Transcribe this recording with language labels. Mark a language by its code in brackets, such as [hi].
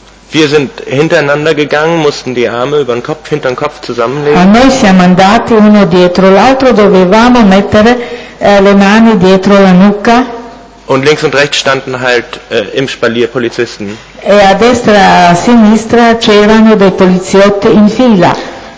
[de] Wir sind hintereinander gegangen, mussten die Arme über den Kopf, hinter den Kopf zusammenlegen. [it] A noi siamo andati uno dietro l'altro, dovevamo mettere le mani dietro la nuca. [de] Und links und rechts standen halt im Spalier Polizisten. [it] E a destra e a sinistra c'erano dei poliziotti in fila.